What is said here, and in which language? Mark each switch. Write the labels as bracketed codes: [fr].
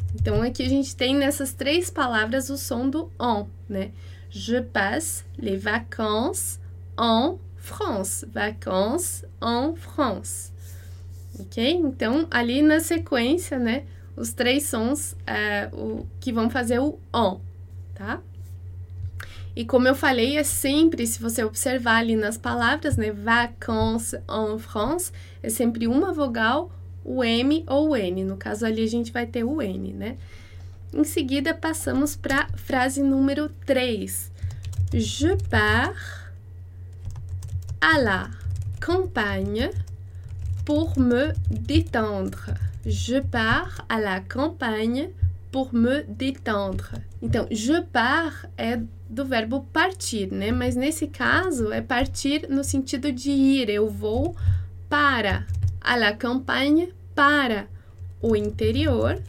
[pt] Então, aqui a gente tem nessas três palavras o som do en, né? [fr] Je passe les vacances en France. Vacances en France. Ok? [pt] Então, ali na sequência, né? Os três sons que vão fazer o on, tá? E como eu falei, é sempre, se você observar ali nas palavras, né? [fr] Vacances en France, [pt] é sempre uma vogal, o M ou o N. No caso ali, a gente vai ter o N, né? Em seguida, passamos para a frase número 3. [fr] Je pars à la campagne pour me détendre. Je pars à la campagne pour me détendre. [pt] Então, [fr] je pars [pt] é do verbo partir, né? Mas nesse caso, é partir no sentido de ir. Eu vou para [fr] à la campagne, [pt] para o interior.